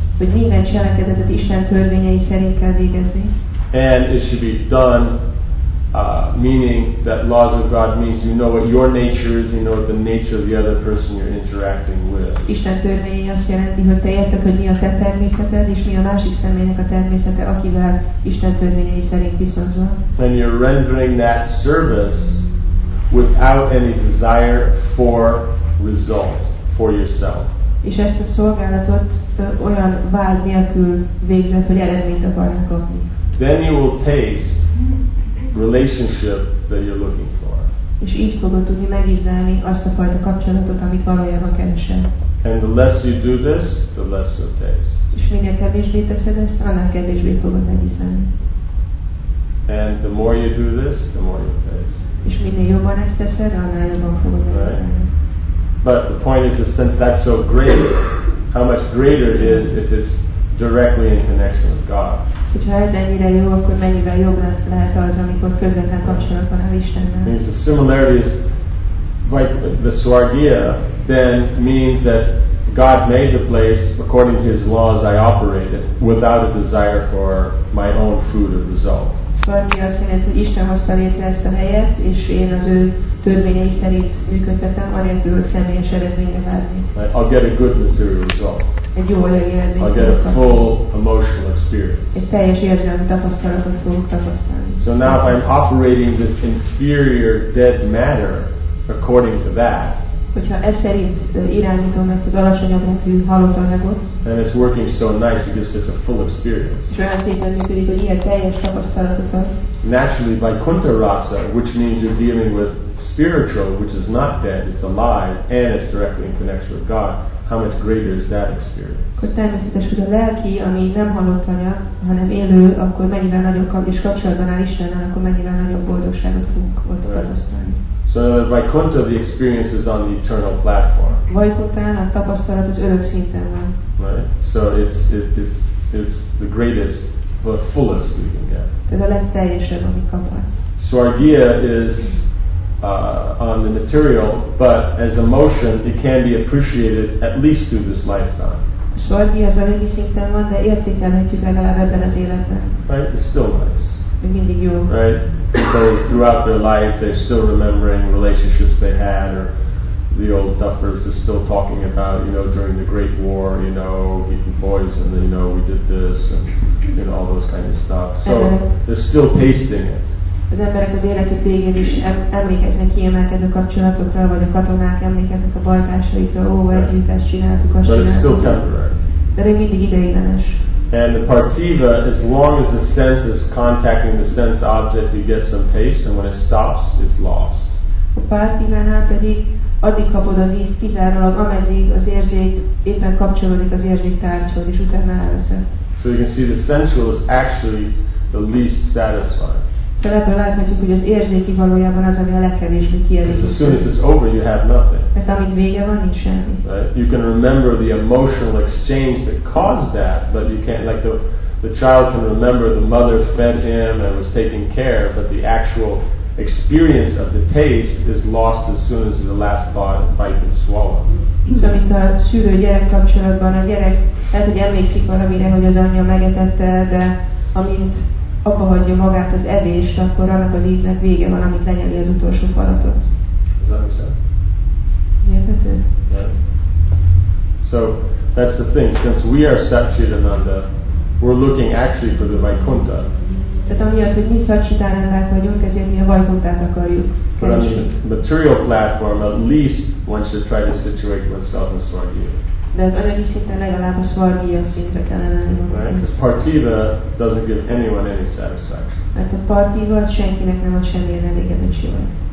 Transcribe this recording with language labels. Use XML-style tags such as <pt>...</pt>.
<hu>Hogy minden cselekedetet Isten törvényei szerint kell végezni.</hu> <en>And it should be done, meaning that laws of God means you know what your nature is, you know what the nature of the other person you're interacting with.</en> <hu>Isten törvényei azt jelenti, hogy te érted, hogy mi a te természeted, és mi a másik személynek a természete, akivel Isten törvényei szerint viszonyulsz.</hu> <en>And you're rendering that service without any desire for result for yourself.</en> <hu>És ezt a szolgálatot olyan vád nélkül végzett, hogy eredményt akarnak kapni.</hu> <en>Then you will taste relationship that you're looking for.</en> <hu>És így fogod tudni megízlelni azt a fajta kapcsolatot, amit valójában keresel.</hu> <en>And the less you do this, the less you taste.</en> <hu>És minél kevésbé teszed ezt, annál kevésbé fogod megízlelni.</hu> <en>And the more you do this, the more you taste.</en> <hu>És minél jobban ezt teszed, annál jobban fogod megízlelni.</hu> <en>Right. But the point is that since that's so great, how much greater it is if it's directly in connection with God.</en> <hu>Hogyha ez ennyire jó, akkor mennyivel jobb lehet az, amikor közvetlen kapcsolat van az Istennel.</hu> <en>Means the similarity is like the swargia then means that God made the place according to his laws I operated without a desire for my own fruit or result.</en> <hu>Swargia azt jelenti, hogy Isten hozta létre ezt a helyet, és én az ő törvényei szerint működtetem, anélkül, hogy személyes eredményre várni.</hu> <en>I'll get a good material result.</en> <hu>Egy jó anyagi eredményt.</hu> <en>I'll get a full emotional experience.</en> <hu>Egy teljes érzelmi tapasztalatot fogok tapasztalni.</hu> <en>So now if I'm operating this inferior dead matter according to that,</en> <hu>hogyha ez szerint irányítom ezt az alacsonyabb lévő halott anyagot,</hu> <en>and it's working so nice, it gives such a full experience.</en> <hu>És olyan szépen működik, hogy ilyen teljes tapasztalatot ad.</hu> <en>Naturally, by kunta rasa, which means you're dealing with spiritual, which is not dead, it's alive, and it's directly in connection with God, how much greater is that experience?</en> <hu>Akkor természetes, hogy a lelki, ami nem halott anyag, hanem élő, akkor mennyivel nagyobb, és kapcsolatban áll Istennel, akkor mennyivel nagyobb boldogságot fogunk ott tapasztalni.</hu> <en>So Vaikuntha, the experience is on the eternal platform.</en> <hu>Vaikuntha, a tapasztalat az örök szinten van.</hu> <en>Right. So it's the greatest, the fullest we can get.</en> <hu>Tehát a legteljesebb, amit kaphatsz.</hu> <en>Swargia is on the material, but as emotion, it can be appreciated at least through this lifetime.</en> <hu>Swargia az anyagi szinten van, de értékelhetjük legalább ebben az életben.</hu> <en>Right. It's still nice.</en> <hu>Még mindig jó.</hu> <en>Right. Because throughout their life, they're still remembering relationships they had, or the old duffers are still talking about, you know, during the Great War, you know, eating poison, you know, we did this, and you know, all those kind of stuff. So they're still tasting it.</en> <hu>Az emberek az életük végén is emlékeznek kiemelkedő kapcsolatokra, vagy a katonák emlékeznek a bajtársaikra, ó, együtt ezt csináltuk, azt csináltuk.</hu> <en>But it's still temporary.</en> <hu>De még mindig ideiglenes.</hu> <en>And the partiva, as long as the sense is contacting the sense object, you get some taste, and when it stops, it's lost.</en> <hu>A partivánál pedig addig kapod az ízt, kizárólag ameddig az érzék éppen kapcsolódik az érzéktárgyhoz, és utána elveszett.</hu> <en>So you can see the sensual is actually the least satisfied.</en> <hu>Tehát ebből láthatjuk, hogy az érzéki valójában az, ami a legkevésbé kielégítő.</hu> <en>As soon as it's over, you have nothing.</en> <hu>Mert amíg vége van, nincs semmi.</hu> <en>You can remember the emotional exchange that caused that, but you can't, like the child can remember the mother fed him and was taking care, but the actual experience of the taste is lost as soon as the last bite is swallowed.</en> <hu>De mint a szülő-gyerek kapcsolatban, a gyerek lehet, hogy emlékszik valamire, hogy az anyja megetette, de amint abba hagyja magát az evést, akkor annak az íznek vége van, amit lenyeli az utolsó falatot.</hu> <en>Is that understand? Érthető? Yeah. So, that's the thing. Since we are Satchitananda, we're looking actually for the Vaikuntha.</en> <hu>Tehát amiatt, hogy mi Satchitanandák vagyunk, ezért mi a Vaikunthát akarjuk.</hu> <en>But on the material platform, at least one should try to situate oneself in Swargia.</en> <hu>De az anyagi szinten legalább a Swargia szintre kellene lenni.</hu> <en>Right, because partiva doesn't give anyone any satisfaction.</en> <hu>Mert a partiva az senkinek nem ad semmi elégedettséget.</hu>